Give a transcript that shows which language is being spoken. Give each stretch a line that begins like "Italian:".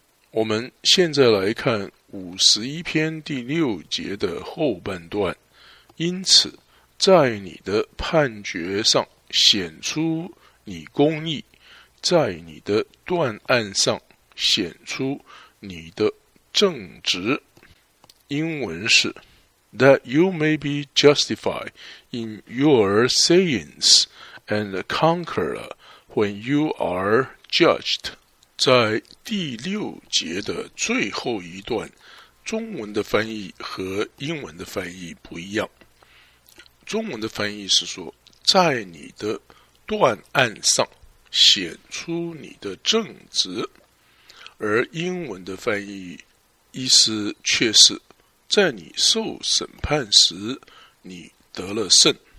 Chinese: 我们现在来看51篇第六节的后半段，因此在你的判决上显出你公义，在你的断案上显出你的正直。
English: 英文是 That you may be justified in your sayings and conquer when you are judged。
Chinese: 在第六节的最后一段，中文的翻译和英文的翻译不一样。中文的翻译是说，在你的断案上显出你的正直，而英文的翻译意思却是在你受审判时你得了胜。